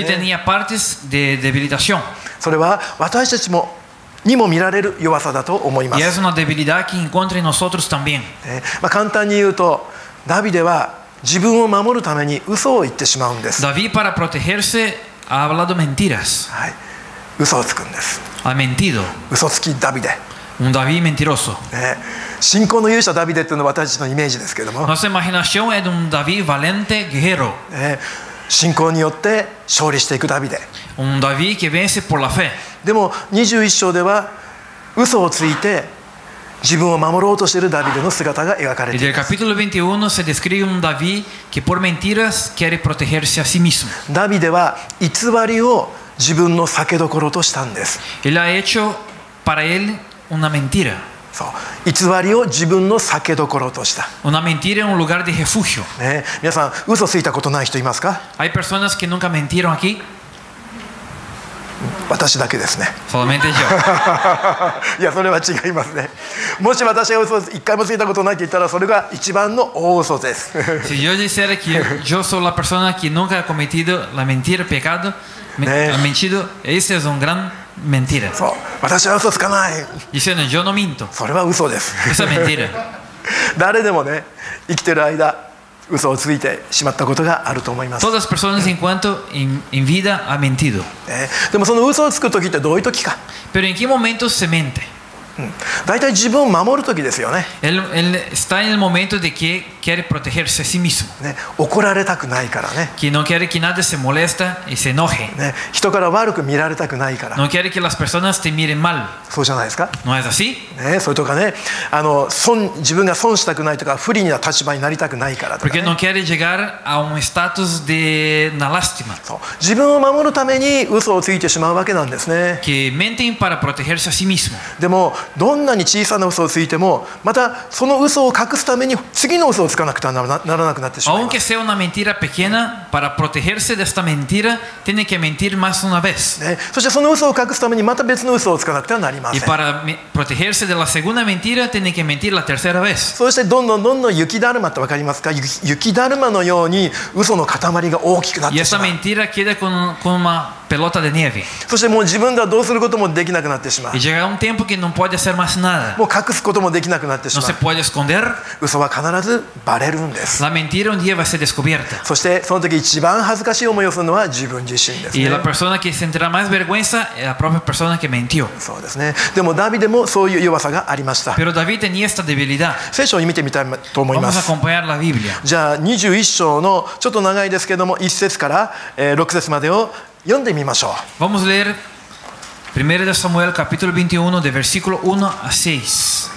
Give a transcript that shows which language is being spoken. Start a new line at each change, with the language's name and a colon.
Spanish: Él tenía partes de debilitación.
Japanese: それは私たちもにも見られる弱さだと思います。
Spanish: Y es una debilidad que encuentra en nosotros también.
Japanese: 簡単に言うと、ダビデは自分を守るために嘘を言ってしまうんです。
Spanish: David para protegerse ha hablado mentiras.
Japanese: はい、嘘をつくんです。
Spanish: Ha mentido.
Japanese: 嘘つきダビデ。
Spanish: Un David mentiroso.
Japanese: 信仰の勇者ダビデというのは私たちのイメージですけれども。
Spanish: Nuestra imaginación es un David valiente guerrero.
Japanese: 信仰によって勝利していくダビデ。
Spanish: Un David que vence por la fe.
Japanese: でも21章では嘘をついて自分を守ろうとしているダビデの姿が描かれています。
Spanish: El capítulo 21 se describe un David que por mentiras quiere protegerse a sí mismo.
Japanese: ダビデは偽りを自分の避けどころとしたんです。
Spanish: Él ha hecho para él una mentira.
Japanese: そう、偽りを自分の避けどころとした。
Spanish: Una mentira en un lugar de refugio.
Japanese: ね、皆さん嘘ついたことない人いますか？
Spanish: Hay personas que nunca mentieron aquí?
Japanese: 私だけですね。
Spanish: Solamente yo.
Japanese: いや、それは違いますね。もし私が嘘一回もついたことないって言ったら、それが一番の大嘘です。
Spanish: Si yo dijera que yo soy la persona que nunca ha cometido la mentira, pecado, mentido, ese es un gran mentira.
Japanese: そう、私は嘘つかない。
Spanish: Diciendo yo no miento.
Japanese: それは嘘です。
Spanish: Esa mentira.
Japanese: 誰でもね、生きてる間。嘘をついてしまったことがあると思います。
Spanish: Todas personas en cuanto en vida ha mentido.
Japanese: でもその嘘をつくときってどういうときか。
Spanish: Pero en qué momento se miente?
Japanese: だいたい自分を守るときですよね。
Spanish: Él está en el momento de que quiere protegerse a sí mismo.
Japanese: ね、怒られたくないからね。
Spanish: Que no quiere que nadie se moleste y se enoje.
Japanese: ね、人から悪く見られたくないから。
Spanish: No quiere que las personas te miren mal.
Japanese: そうじゃないですか。
Spanish: No es así?
Japanese: ね、それとかね、自分が損したくないとか不利な立場になりたくないからとか、ね。
Spanish: Porque no quiere llegar a un estatus de una lástima.
Japanese: そう、自分を守るために嘘をついてしまうわけなんですね。
Spanish: Que mienten para protegerse a sí mismo.
Japanese: でもどんなに小さな嘘をついても、またその嘘を隠すために次の嘘をつかなくてはならなくなってしまいます。
Spanish: Aunque sea una mentira pequeña, para protegerse de esta mentira, tiene que mentir más una vez.
Japanese: そしてその嘘を隠すためにまた別の嘘をつかなくてはなりません。
Spanish: Y para protegerse de la segunda mentira, tiene que mentir la tercera vez.
Japanese: そしてどんどんどんどん雪だるまってわかりますか？雪だるまのように嘘の塊が大きくなってしまう。
Spanish: Y esta mentira queda con una pelota de nieve.
Japanese: そしてもう自分ではどうすることもできなくなってしまう。
Spanish: Y llega un tiempo que no puede hacer más nada.
Japanese: もう隠すこともできなくなってしまう。
Spanish: No se puede esconder.
Japanese: 嘘は必ずバレるんです。
Spanish: La mentira un día va a ser descubierta.
Japanese: そしてその時一番恥ずかしい思いをするのは自分自身ですね。
Spanish: Y la persona que sentirá más vergüenza es la propia persona que mintió.
Japanese: そうですね。でもダビデもそういう弱さがありました。
Spanish: Pero David tenía esta debilidad.
Japanese: 聖書を見てみたいと思います。
Spanish: Vamos a acompañar la Biblia.
Japanese: じゃあ21章のちょっと長いですけども1節から6節までを読んでみましょう。
Spanish: Vamos a leer. 1 de Samuel, capítulo 21, de versículo 1 a 6.